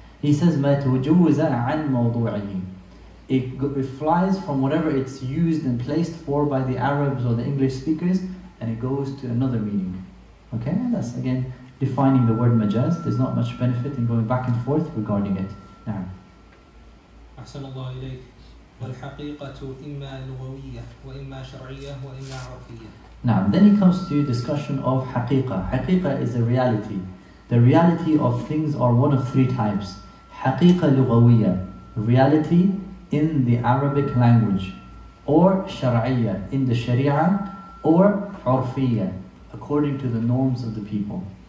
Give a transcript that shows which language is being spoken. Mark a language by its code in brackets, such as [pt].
[en] He says, [ar] مَا تَوَجُوزَ عَنْ مَوْضُوعِهِ [en] It flies from whatever it's used and placed for by the Arabs or the English speakers, and it goes to another meaning. Okay, that's again defining the word majaz. There's not much benefit in going back and forth regarding it. Now. [ar] أحسن الله إليك والحقيقة إما لغوية وإما شرعية وإما عرفية [en] Now, then he comes to discussion of حقيقة. حقيقة is a reality. The reality of things are one of three types. حقيقة لغوية, reality in the Arabic language. Or شرعية, in the Sharia. Or عرفية, according to the norms of the people.